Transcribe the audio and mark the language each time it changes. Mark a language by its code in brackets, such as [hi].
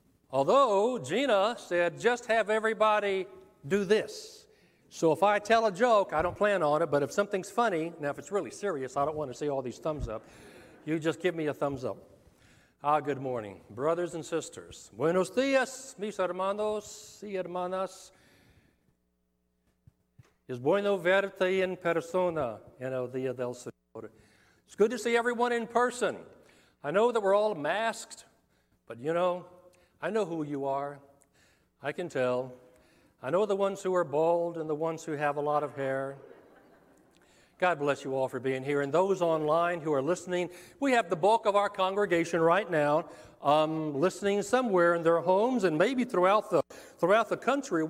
[en] Although Gina said, just have everybody do this. So if I tell a joke, I don't plan on it, but if something's funny, now if it's really serious, I don't want to see all these thumbs up, you just give me a thumbs up. Ah, good morning, brothers and sisters. [es] Buenos dias, mis hermanos y hermanas. Es bueno verte en persona en el día del Señor. [en] It's good to see everyone in person. I know that we're all masked, but you know, I know who you are. I can tell. I know the ones who are bald and the ones who have a lot of hair. God bless you all for being here. And those online who are listening, we have the bulk of our congregation right now listening somewhere in their homes and maybe throughout the country.